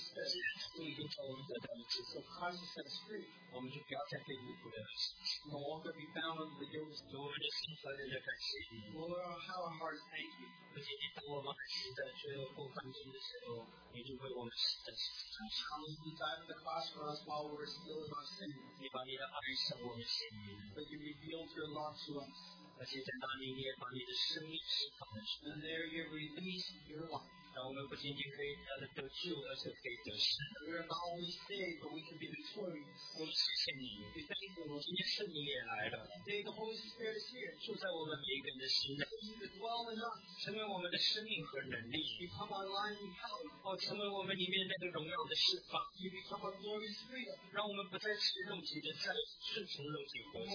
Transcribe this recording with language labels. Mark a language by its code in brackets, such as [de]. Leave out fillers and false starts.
[en] stay. So we can tell them that it's so Christ is set us free. [zh] 我们就不要再被你不认识。 [en] No longer be bound under the yoke. [zh] 我们的心怀着感谢。 [en] Lord, how our hearts thank you. [zh] 不仅仅当我们还是在罪恶过犯中的时候，你就为我们死在十字架上。 [en] How you died on the cross for us while we were still in our sin. [zh] 你把你的爱向我们显明。 [en] But you revealed your love to us. [zh] 而且在那里你也把你的生命释放了出来。 [en] And there you release your life. [zh] 让我们不仅仅可以得救，而且可以得胜。 [en] We are not only saved, but we can be victorious. [zh] 我们谢谢你。 [en] We thank you. [zh] 今天圣灵也来了。 [en] Today the Holy Spirit is here. [zh] 住在我们每一个人的心里。 [en] He is dwelling in us. [zh] 成为我们的生命和能力。 [en] Become our life and power. [zh] 成为我们里面那个荣耀的释放。 [en] You become our glorious freedom. [zh] 让我们不再吃肉体的债，顺从肉体活着。